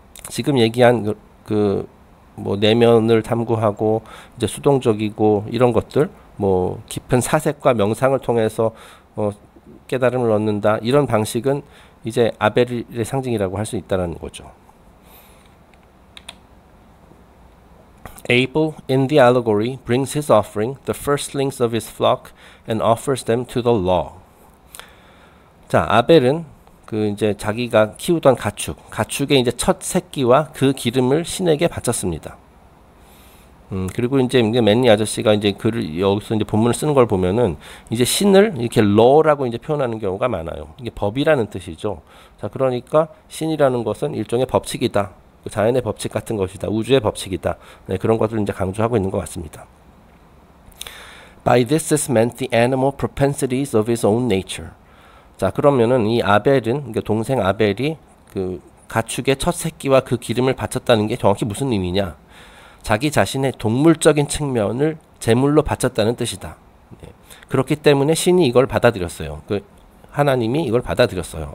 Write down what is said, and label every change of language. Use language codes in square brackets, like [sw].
[ko] 지금 얘기한 뭐 내면을 탐구하고 이제 수동적이고 이런 것들. 뭐 깊은 사색과 명상을 통해서 깨달음을 얻는다 이런 방식은 이제 아벨의 상징이라고 할수 있다는 거죠. [en] Abel, in the allegory, brings his offering, the firstlings of his flock, and offers them to the law. [ko] 자, 아벨은 그 이제 자기가 키우던 가축의 이제 첫 새끼와 그 기름을 신에게 바쳤습니다. 그리고 이제 맨니 아저씨가 이제 글을 여기서 이제 본문을 쓰는 걸 보면은 이제 신을 이렇게 law라고 이제 표현하는 경우가 많아요. 이게 법이라는 뜻이죠. 자, 그러니까 신이라는 것은 일종의 법칙이다. 자연의 법칙 같은 것이다. 우주의 법칙이다. 네, 그런 것들을 이제 강조하고 있는 것 같습니다. [en] By this is meant the animal propensities of his own nature. [ko] 자, 그러면은 이 아벨은, 그러니까 동생 아벨이 그 가축의 첫 새끼와 그 기름을 바쳤다는 게 정확히 무슨 의미냐? 자기 자신의 동물적인 측면을 제물로 바쳤다는 뜻이다. 네. 그렇기 때문에 신이 이걸 받아들였어요. 그 하나님이 이걸 받아들였어요.